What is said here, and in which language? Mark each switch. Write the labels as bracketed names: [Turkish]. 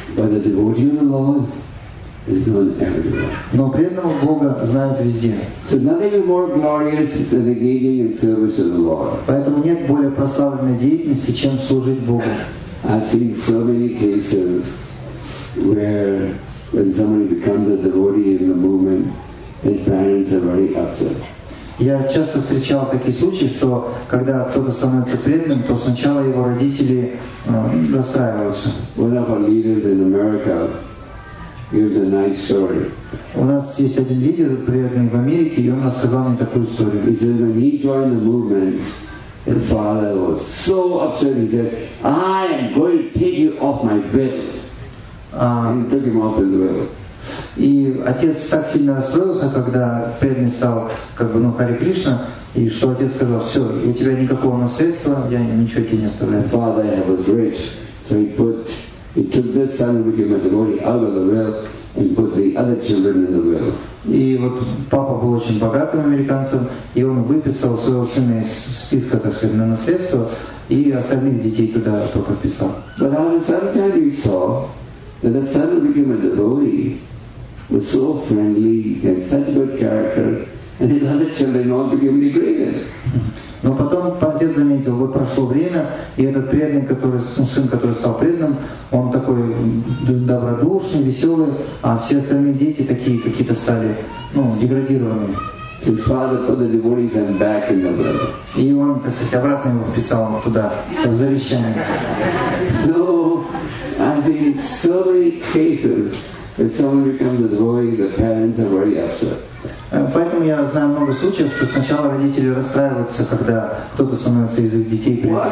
[English] But the devotee of the Lord is known everywhere. [Russian] Но преданного Бога знают везде. [English] So nothing is more glorious than engaging in service of the Lord. [Russian] Поэтому нет более прославленной деятельности, чем служить Богу. [English] I've seen so many cases where when somebody becomes a devotee in the movement, his parents are very upset. [Russian] Я часто встречал такие случаи, что когда кто-то становится преданным, то сначала его родители расстраиваются. [English] One of our leaders in America gives a nice story. [Russian] У нас есть один лидер преданный в Америке, и он рассказал мне такую историю. [English] He said when he joined the movement, the father was so upset. He said, "I am going to take you off my bill." He took him off his bill. [Russian] И отец так сильно расстроился, когда преданный стал как бы Хари Кришна, и что отец сказал: "Все, у тебя никакого наследства, я ничего тебе не оставляю." [English] The father was rich, so he took this son who became a devotee out of the bill and put the other children in the bill. [Russian] И вот папа был очень богатым американцем, и он выписал своего сына из списка, так сказать, на наследство, и остальных детей туда только вписал. [English] But at the same time he saw that the son who became a devotee was so friendly and such good character, and his other children all became degraded. [Russian] Но потом отец заметил, вот прошло время, и этот преданный, сын, который стал преданным, он такой добродушный, веселый, а все остальные дети такие какие-то стали, деградированные. [English] Father put the devotees back in the brother. [Russian] И он, так сказать, обратно его вписал туда, в завещание. [English] So, I think in so many cases, if someone becomes a devotee, the parents are very upset. [Russian] Поэтому я знаю много случаев, что сначала родители расстраиваются, когда кто-то становится из их детей.